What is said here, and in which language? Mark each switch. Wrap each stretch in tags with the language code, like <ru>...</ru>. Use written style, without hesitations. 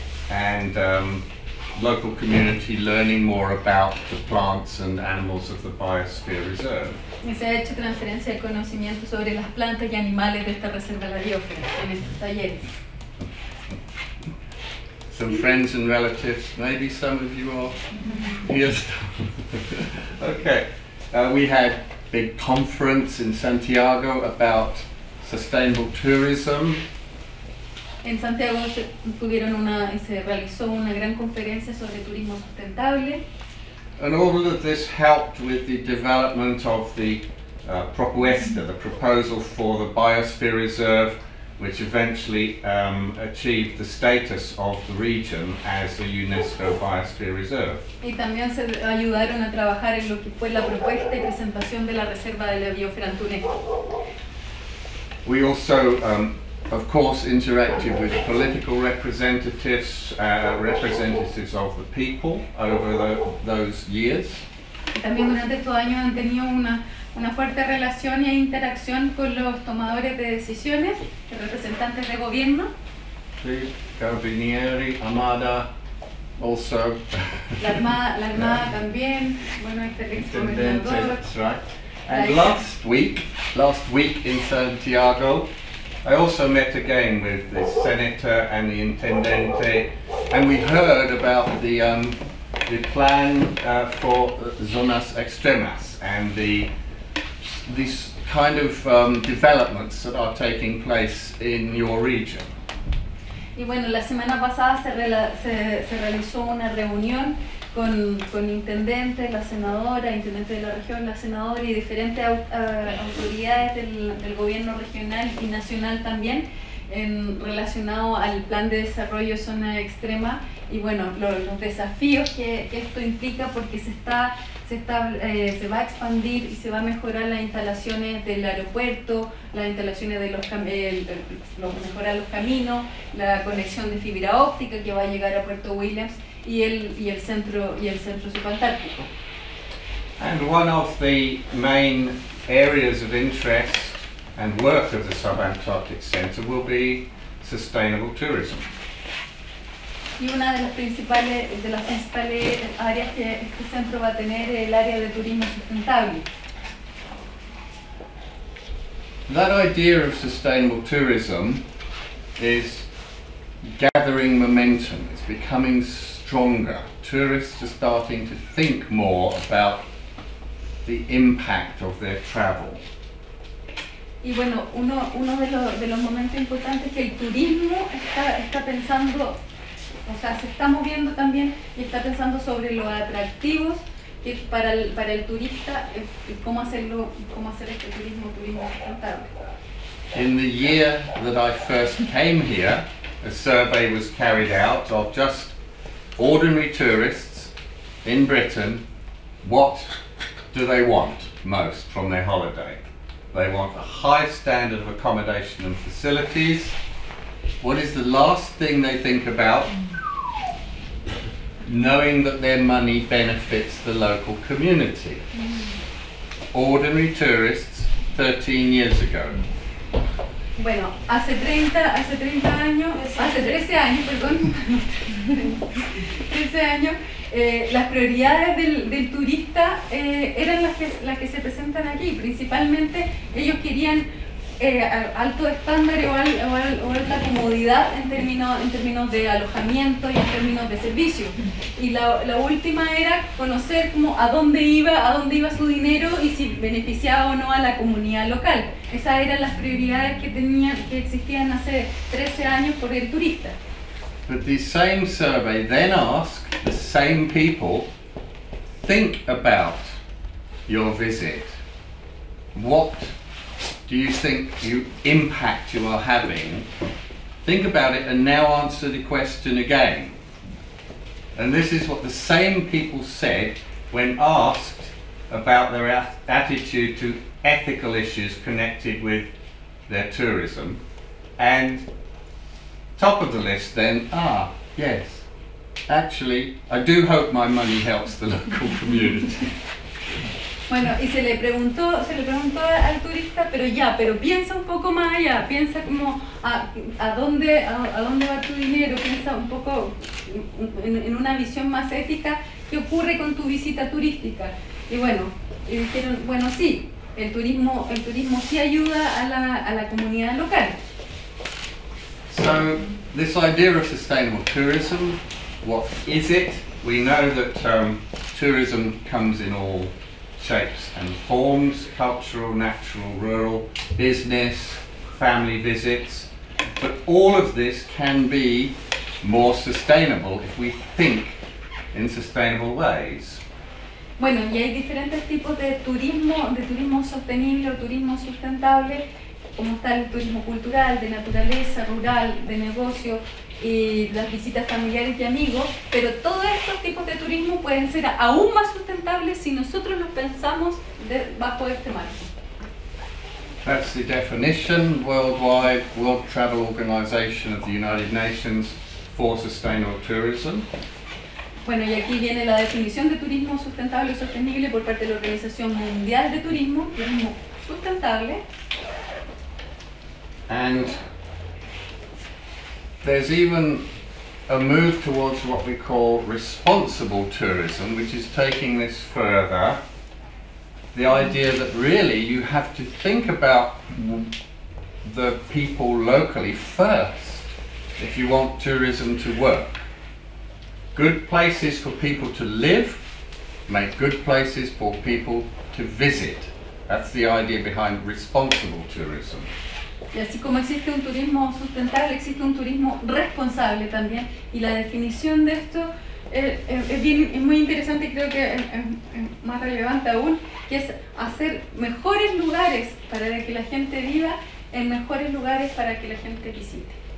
<en>And local community learning more about the plants and animals of the biosphere reserve.</en> <es>Y se ha hecho transferencia de conocimiento sobre las plantas y animales de esta reserva de la biosfera en estos talleres.</es> <en>Some friends and relatives, maybe some of you are yes. Okay, we had a big conference in Santiago about sustainable tourism.</en> <es>En Santiago se realizó una gran conferencia sobre turismo sustentable.</es> <en>And all of this helped with the development of the propuesta, the proposal for the biosphere reserve, which eventually achieved the status of the region as a UNESCO biosphere reserve.</en> <es>Y también se ayudaron a trabajar en lo que fue la propuesta y presentación de la reserva de la biosfera en Túnez.</es> <en>We also of course interacted with political representatives, representatives of the people over those years.</en> <es>También durante estos años han tenido una fuerte relación e interacción con los tomadores de decisiones, representantes de gobierno. Sí, Carabinieri, Armada,</es> <en>also.</en> <es>La Armada también, bueno, este</es> <en>right. And last week in Santiago, I also met again with the senator and the intendente, and we heard about the plan for</en> <es>zonas extremas</es> <en>and these kind of developments that are taking place in your region.</en> <es>Y bueno, la semana pasada se realizó una reunión con intendente, la senadora, intendente de la región, la senadora y diferentes autoridades del gobierno regional y nacional también, relacionado al plan de desarrollo zona extrema y bueno, los desafíos que esto implica porque se va a expandir y se va a mejorar las instalaciones del aeropuerto, las instalaciones de los caminos, la conexión de fibra óptica que va a llegar a Puerto Williams y el centro subantártico.</es> <en>And one of the main areas of interest and work of the Subantarctic Center will be sustainable tourism.</en> <es>Y una de las principales áreas que este centro va a tener es el área de turismo sustentable.</es> <en>That idea of sustainable tourism is gathering momentum. It's becoming stronger. Tourists are starting to think more about the impact of their travel.</en> <es>Y bueno, uno de los momentos importantes es que el turismo está pensando, o sea, se está moviendo también y está pensando sobre los atractivos que para el turista y cómo hacer este turismo sustentable.</es> <en>In the year that I first came here, a survey was carried out of just ordinary tourists in Britain. What do they want most from their holiday? They want a high standard of accommodation and facilities. What is the last thing they think about? Knowing that their money benefits the local community. Ordinary tourists 13 years ago.</en> <es>Bueno, hace 13 años, las prioridades del turista eran las que se presentan aquí. Principalmente ellos querían alto estándar o alta comodidad en términos de alojamiento y en términos de servicio. Y la última era conocer como a dónde iba su dinero y si beneficiaba o no a la comunidad local. Esas eran las prioridades que existían hace 13 años por el turista.</es> <en>But the same survey then asked the same people, think about your visit. What do you think you impact you are having? Think about it and now answer the question again. And this is what the same people said when asked about their attitude to ethical issues connected with their tourism. And top of the list then, yes, actually, I do hope my money helps the local community.</en> <es>Bueno, y se le preguntó al turista, pero piensa un poco más allá, piensa como a dónde va tu dinero, piensa un poco en una visión más ética, ¿qué ocurre con tu visita turística? Y bueno, dijeron, bueno, sí, el turismo sí ayuda a la comunidad local.</es> <en>So, this idea of sustainable tourism, what is it? We know that tourism comes in all shapes and forms, cultural, natural, rural, business, family visits, but all of this can be more sustainable if we think in sustainable ways.</en> <es>Bueno, y hay diferentes tipos de turismo sostenible o turismo sustentable, como está el turismo cultural, de naturaleza, rural, de negocio, y las visitas familiares y amigos, pero todos estos tipos de turismo pueden ser aún más sustentables si nosotros los pensamos bajo este marco.</es> <en>That's the definition, worldwide, World Travel Organization of the United Nations for Sustainable Tourism.</en> <es>Bueno, y aquí viene la definición de turismo sustentable o sostenible por parte de la Organización Mundial de Turismo, turismo sustentable.</es> <en>And there's even a move towards what we call responsible tourism, which is taking this further. The idea that really you have to think about the people locally first if you want tourism to work. Good places for people to live make good places for people to visit. That's the idea behind responsible tourism.</en> <es>Y así como existe un turismo sustentable, existe un turismo responsable también. Y la definición de esto es muy interesante y creo que es más relevante aún, que es hacer mejores lugares para que la gente viva en mejores lugares para que la gente visite.</es>